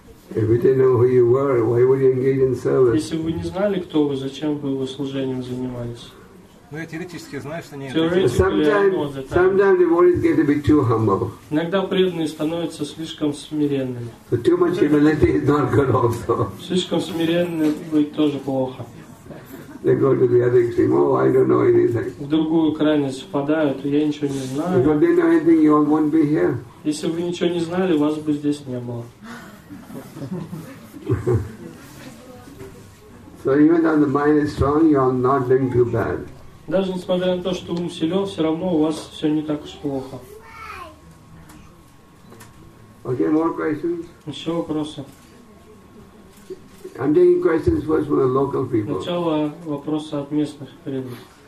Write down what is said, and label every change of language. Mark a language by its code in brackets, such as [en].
[en] If you didn't know who you were, why would you engage in service? [ru] Если вы не знали, кто вы, зачем бы вы служением занимались? Ну, я теоретически знаю, что нет. [en] Sometimes devotees get a bit too humble. [ru] Иногда преданные становятся слишком смиренными. [en] So too much humility is not good also. [ru] Слишком смиренным быть тоже плохо. [en] They go to the other extreme. Oh, I don't know anything. [ru] В другую крайность впадают. Я ничего не знаю. [en] If you didn't know anything, you wouldn't be here. [ru] Если бы вы ничего не знали, вас бы здесь не было. [en] So even though the mind is strong, you are not doing too bad. [ru] Даже несмотря на то, что ум силен, все равно у вас все не так уж плохо. [en] Okay, more questions? [ru] Еще вопросы? [en] I'm taking questions first from the local people. [ru] Сначала вопросы от местных преданных.